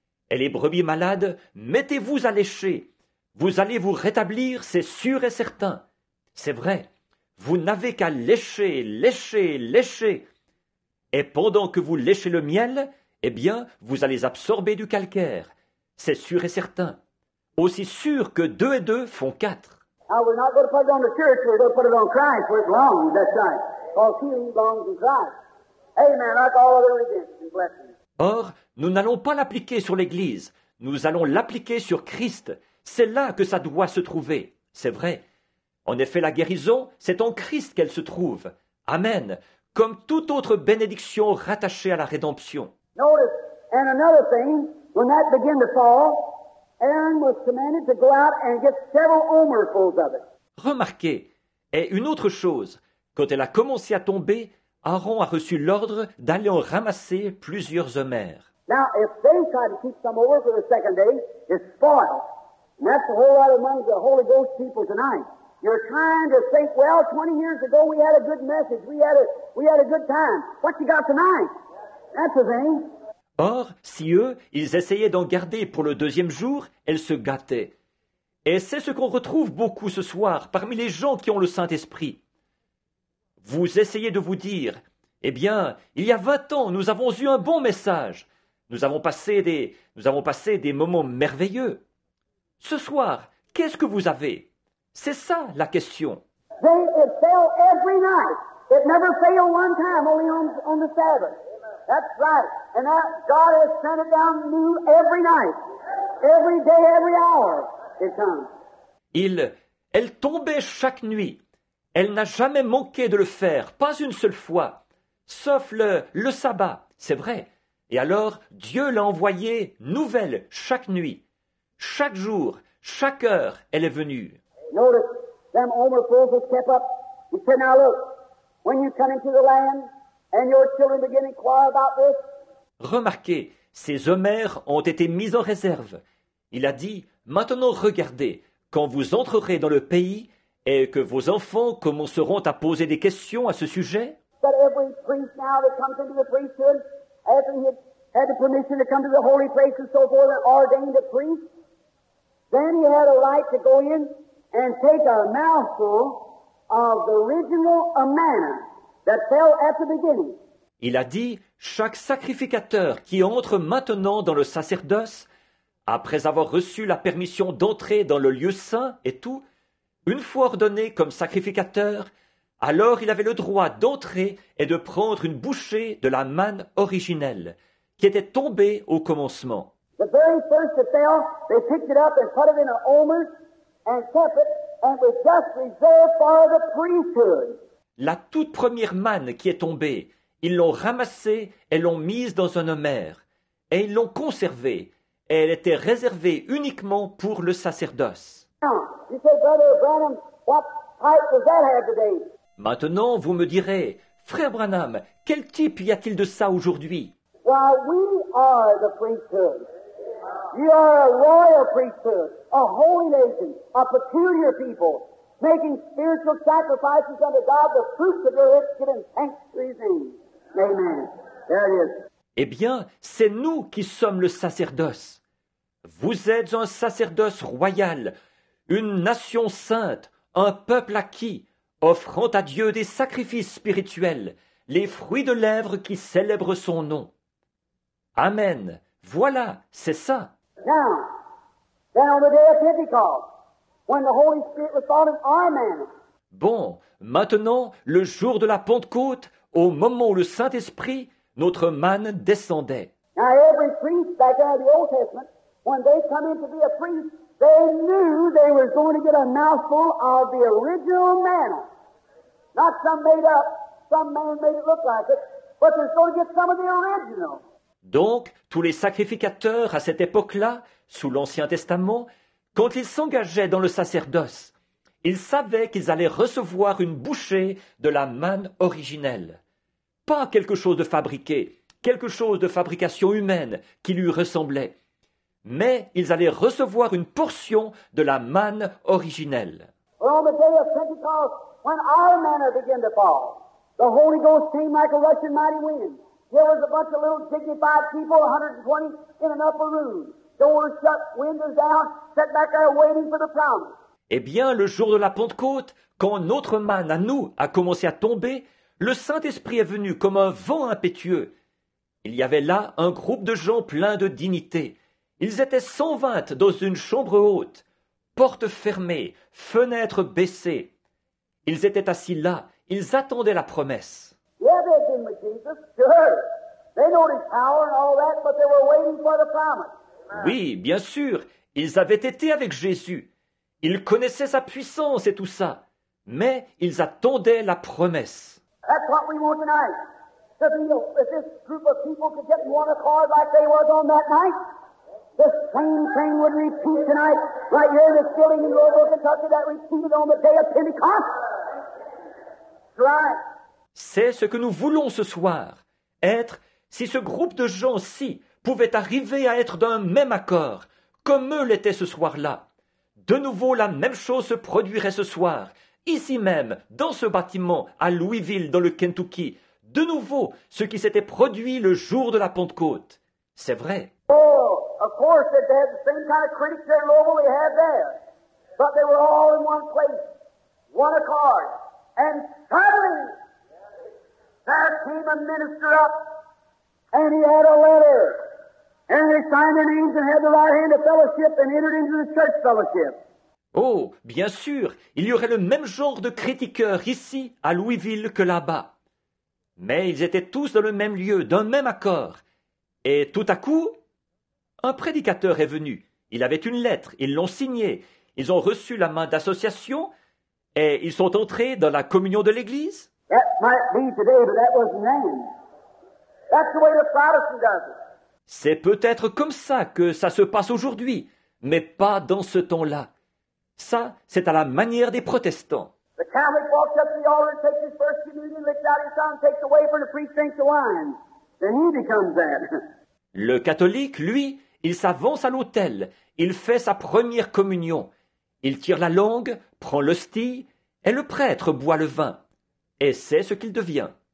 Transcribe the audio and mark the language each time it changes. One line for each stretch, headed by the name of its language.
French: Et les brebis malades, mettez-vous à lécher. Vous allez vous rétablir, c'est sûr et certain. C'est vrai, vous n'avez qu'à lécher, lécher, lécher. Et pendant que vous léchez le miel, eh bien, vous allez absorber du calcaire. C'est sûr et certain. Aussi sûr que deux et deux font quatre.
English: Now we're not going to put it on the church, we're going to put it on Christ, where it belongs, that's right. All healing belongs in Christ. Amen, like all other religions, and blessings.
French: Or, nous n'allons pas l'appliquer sur l'Église, nous allons l'appliquer sur Christ. C'est là que ça doit se trouver, c'est vrai. En effet, la guérison, c'est en Christ qu'elle se trouve. Amen, comme toute autre bénédiction rattachée à la rédemption.
English: Notice, and another thing, when that began to fall, Aaron was commanded to go out and get several omerfuls of it.
French: Remarquez, et une autre chose, quand elle a commencé à tomber, Aaron a reçu l'ordre d'aller en ramasser plusieurs omers.
English: Now, if they try to keep some over for the second day, it's spoiled. And that's the whole lot among the Holy Ghost people tonight. You're trying to think, well, 20 years ago we had a good message, we had a good time. What you got tonight? That's the thing.
French: Or, si eux, ils essayaient d'en garder pour le deuxième jour, elles se gâtaient. Et c'est ce qu'on retrouve beaucoup ce soir parmi les gens qui ont le Saint-Esprit. Vous essayez de vous dire, eh bien, il y a 20 ans, nous avons eu un bon message. Nous avons passé des moments merveilleux. Ce soir, qu'est-ce que vous avez? C'est ça la question.
English: It fell every night. It never failed one time, only on the Sabbath. That's right. And that God has sent it down new every night. Every day, every hour, it comes.
French: Elle tombait chaque nuit. Elle n'a jamais manqué de le faire, pas une seule fois. Sauf le sabbat, c'est vrai. Et alors, Dieu l'a envoyée nouvelle chaque nuit. Chaque jour, chaque heure, elle est venue.
English: Notice, them omerfuls was kept up. He said, now look, when you come into the land, and your children begin to inquire about this,
French: remarquez, ces omers ont été mis en réserve. Il a dit, maintenant regardez, quand vous entrerez dans le pays et que vos enfants commenceront à poser des questions à ce sujet.
English: That every priest now that comes into the priesthood, after he had the permission to come to the holy place and so forth, and ordained a priest, then he had a right to go in and take a mouthful of the original manna that fell at the beginning.
French: Il a dit, chaque sacrificateur qui entre maintenant dans le sacerdoce, après avoir reçu la permission d'entrer dans le lieu saint et tout, une fois ordonné comme sacrificateur, alors il avait le droit d'entrer et de prendre une bouchée de la manne originelle qui était tombée au commencement.
English: The very first that fell, they picked it up and put it in an omer and kept it and was just reserved for the priesthood.
French: La toute première manne qui est tombée, ils l'ont ramassée et l'ont mise dans un homer, et ils l'ont conservée, et elle était réservée uniquement pour le sacerdoce.
English: Now, you say, Brother Branham, what type does that have today?
French: Maintenant, vous me direz, Frère Branham, quel type y a-t-il de ça aujourd'hui?
English: Well, we are the priesthood. You are a royal priesthood, a holy nation, a peculiar people, making spiritual sacrifices unto God, the fruits of your lips, giving thanks to His name. Amen. There it is.
French: Eh bien, c'est nous qui sommes le sacerdoce. Vous êtes un sacerdoce royal, une nation sainte, un peuple acquis, offrant à Dieu des sacrifices spirituels, les fruits de lèvres qui célèbrent son nom. Amen. Voilà, c'est ça.
English: Now, then on the day of Pentecost, when the Holy Spirit was fallen, amen.
French: Bon, maintenant, le jour de la Pentecôte, au moment où le Saint-Esprit, notre manne descendait.
English: Now, every priest back in the Old Testament, when they come in to be a priest, they knew they were going to get a mouthful of the original manna. Not some made up, some man made it look like it, but they're going to get some of the original.
French: Donc, tous les sacrificateurs à cette époque-là, sous l'Ancien Testament, quand ils s'engageaient dans le sacerdoce, ils savaient qu'ils allaient recevoir une bouchée de la manne originelle. Pas quelque chose de fabriqué, quelque chose de fabrication humaine qui lui ressemblait, mais ils allaient recevoir une portion de la manne originelle.
English: Well, on the day of Pentecost, when our manna began to fall, the Holy Ghost came like a rushing mighty wind. There was a bunch of little dignified people, 120, in an upper room. Doors shut, windows down, sat back there waiting for the promise.
French: Eh bien, le jour de la Pentecôte, quand notre manne à nous a commencé à tomber, le Saint-Esprit est venu comme un vent impétueux. Il y avait là un groupe de gens pleins de dignité. Ils étaient 120 dans une chambre haute, portes fermées, fenêtres baissées. Ils étaient assis là, ils attendaient la promesse.
English: Yeah, they've been with Jesus, sure. They know His power and all that, but they were waiting for the promise.
French: Oui, bien sûr, ils avaient été avec Jésus. Ils connaissaient sa puissance et tout ça, mais ils attendaient la promesse.
English: That's what we want tonight. To be, if this group of people could get in one accord like they was on that night, the same thing would repeat tonight, right here in the building in Louisville, Kentucky, that repeated on the day of Pentecost. That's right.
French: C'est ce que nous voulons ce soir, être, si ce groupe de gens-ci pouvait arriver à être d'un même accord, comme eux l'étaient ce soir-là. De nouveau, la même chose se produirait ce soir, ici même, dans ce bâtiment, à Louisville, dans le Kentucky. De nouveau, ce qui s'était produit le jour de la Pentecôte. C'est vrai.
English: Oh, of course, they had the same kind of critics there in Louisville they had there. But they were all in one place, one accord. And suddenly, there came a minister up, and he had a letter, and they signed their names and had the right hand of fellowship and entered into the church fellowship.
French: Oh, bien sûr, il y aurait le même genre de critiqueurs ici, à Louisville, que là-bas. Mais ils étaient tous dans le même lieu, d'un même accord. Et tout à coup, un prédicateur est venu. Il avait une lettre, ils l'ont signée. Ils ont reçu la main d'association et ils sont entrés dans la communion de l'Église.
English: That might be today, but that wasn't then. That's the way the Protestant does it.
French: C'est peut-être comme ça que ça se passe aujourd'hui, mais pas dans ce temps-là. Ça, c'est à la manière des protestants.
English: The Catholic walks up to the altar, takes his first communion, licks out his tongue, takes away from the priest, drinks the wine. Then he becomes that.
French: Le catholique, lui, il s'avance à l'autel, il fait sa première communion. Il tire la langue, prend l'hostie, et le prêtre boit le vin. Et c'est ce qu'il devient.